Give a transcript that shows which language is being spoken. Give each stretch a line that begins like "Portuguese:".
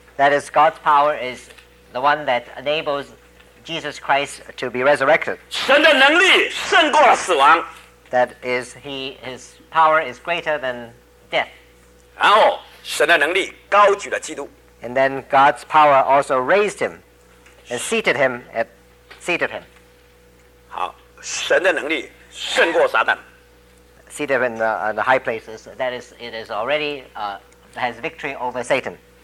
English: That is, God's power is the one that enables Jesus Christ to be resurrected.
Chinese: 神的能力胜过了死亡。
English: That is, his power is greater than death.
Chinese: 然后神的能力高举了基督。
English: And then God's power also raised him and seated him.
Chinese: 好，神的能力胜过撒旦。
English: Seated him in the high places. That is, it is already has victory over Satan.